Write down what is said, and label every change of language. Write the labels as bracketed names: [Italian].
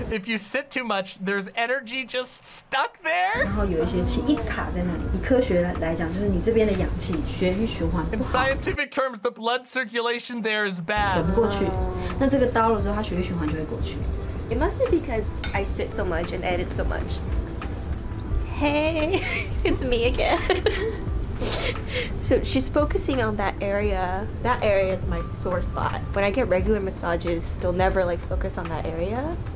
[English] If you sit too much, there's energy just stuck there. [Chinese] 然后有一些气一直卡在那里。以科学来讲，就是你这边的氧气循环不好。 [English] In scientific terms, the blood circulation there is bad. [Chinese] 走不过去。那这个刀了之后，它血液循环就会过去。 [English] It must be because I sit so much and edit so much. Hey, it's me again. So she's focusing on that area. That area is my sore spot. When I get regular massages, they'll never like focus on that area.